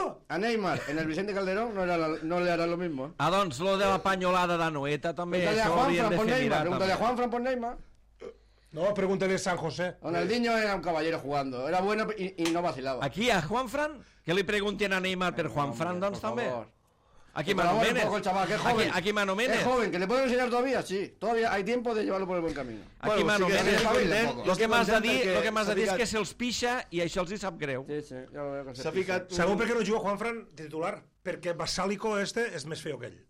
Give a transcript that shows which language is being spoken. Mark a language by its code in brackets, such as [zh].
[es] A Neymar, en el Vicente Calderón no le hará lo mismo. [ca] Ah, doncs, lo de la panyolada d'Anoeta també, això ho haurien de fer mirar. [es] Pregúntale a Juanfran por Neymar. No, pregúntale a San José. Ronaldinho era un caballero jugando. Era bueno y no vacilaba. [ca] Aquí a Juanfran, [es] que le pregunten a [ca] Neymar per Juanfran, doncs, també. Aquí m'anomenes. Aquí m'anomenes. [es] Es joven, que le puedo enseñar todavía, sí. Todavía hay tiempo de llevarlo por el buen camino. [ca] Aquí m'anomenes. Lo que m'has de dir és que se'ls pixa i això els hi sap greu. Sí, sí. Segur perquè no juga Juanfran titular, perquè Basálico este és més feo que ell.